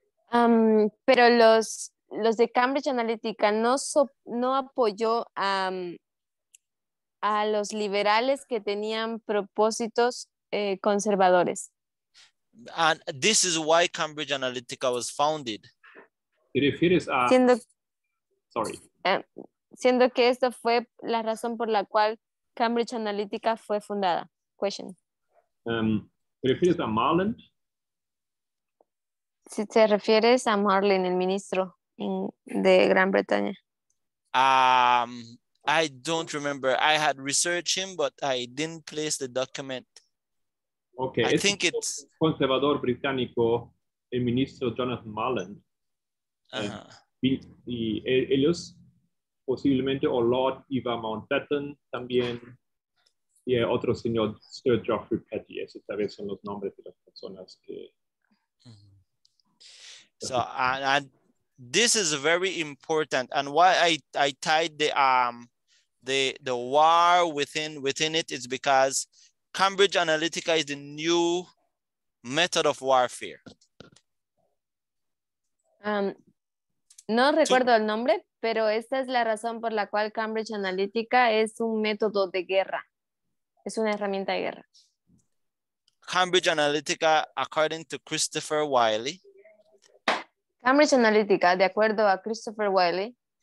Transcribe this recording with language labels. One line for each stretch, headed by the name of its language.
Spanish: Pero los de Cambridge Analytica no apoyó a los liberales que tenían propósitos conservadores.
English: And this is why Cambridge Analytica was founded.
Spanish: ¿Te refieres a... Siendo que esto fue la razón por la cual Cambridge Analytica fue fundada.
English: Question.
Spanish: ¿Te refieres a Marlin? Si te refieres a Marlin, el ministro de Gran Bretaña.
English: I don't remember. I had researched him, but I didn't place the document. Okay, I think it's
Spanish: conservador británico, el ministro Jonathan Marland. Y ellos posiblemente, o Lord Eva Mountbatten también, y el otro señor Sir Geoffrey Petty. Esos tal vez son los nombres de las personas que.
English: So and this is very important, and why I tied the war within it is because Cambridge Analytica is the new method of warfare.
Spanish: No recuerdo el nombre, pero esta es la razón por la cual Cambridge Analytica es un método de guerra. Es una herramienta de guerra.
English: Cambridge Analytica, according to Christopher Wiley.
Spanish: Cambridge Analytica, de acuerdo a Christopher Wiley.